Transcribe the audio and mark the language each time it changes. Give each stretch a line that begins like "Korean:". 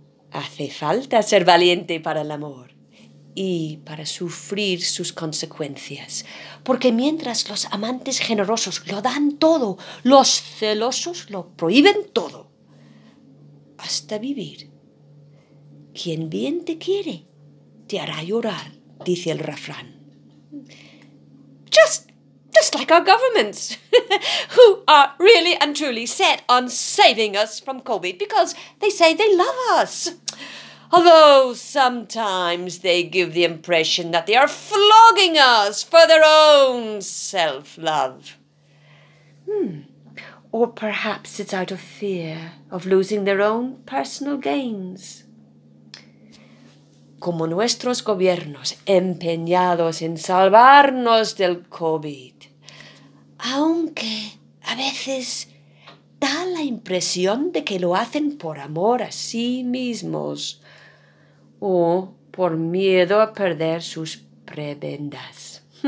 Spanish: Hace falta ser valiente para el amor y para sufrir sus consecuencias. Porque mientras los amantes generosos lo dan todo, los celosos lo prohíben todo. Hasta vivir. Quien bien te quiere, te hará llorar, dice el refrán.
English: Just like our governments, who are really and truly set on saving us from COVID because they say they love us. Although sometimes they give the impression that they are flogging us for their own self-love. Or perhaps it's out of fear of losing their own personal gains.
Spanish: Como nuestros gobiernos empeñados en salvarnos del COVID. Aunque a veces da la impresión de que lo hacen por amor a sí mismos o por miedo a perder sus prebendas.